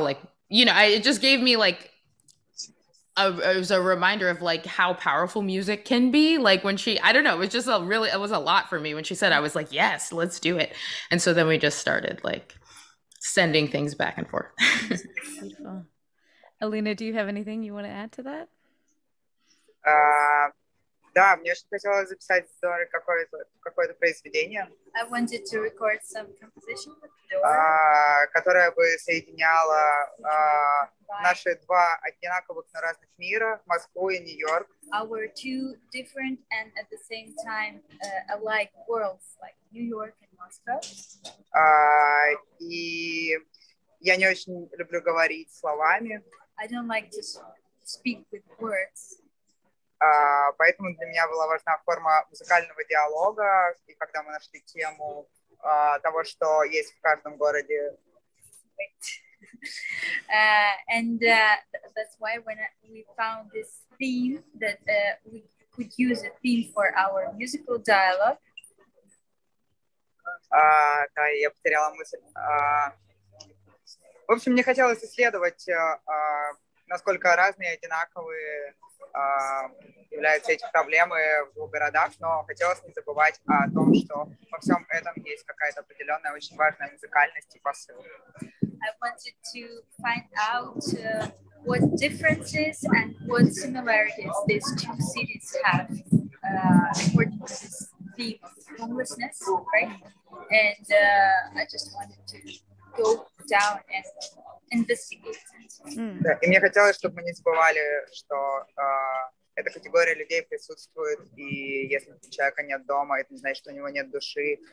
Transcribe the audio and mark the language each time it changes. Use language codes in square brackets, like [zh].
[en] Like, you know, it just gave me like, it was a reminder of like how powerful music can be. Like when she, I don't know, it was just a really, it was a lot for me when she said, I was like, yes, let's do it. And so then we just started like sending things back and forth. Beautiful. Alina, do you have anything you want to add to that? [ru] Да, мне же хотелось записать Доре какое-то произведение. [en] I wanted to record some composition with Dora. [ru] Которая бы соединяла наши два одинаковых, но разных мира, Москву и Нью-Йорк. [en] Our two different and at the same time alike worlds, like New York and Moscow. [ru] И я не очень люблю говорить словами. [en] I don't like to speak with words. [ru] Поэтому для меня была важна форма музыкального диалога, и когда мы нашли тему того, что есть в каждом городе. [en] That's why when we found this theme, that we could use a theme for our musical dialogue. [ru] Да, я потеряла мысль. В общем, мне хотелось исследовать, насколько разные, одинаковые являются эти проблемы в городах, но хотелось не забывать о том, что во всем этом есть какая-то определенная очень важная музыкальность и посыл. [en] I wanted to find out what differences and what similarities these two cities have according to this theme of homelessness, right? And I just wanted to go down and investigate. [ru] Да, и мне хотелось, чтобы мы не забывали, что эта категория людей присутствует, и если у человека нет дома, это не значит, что у него нет души.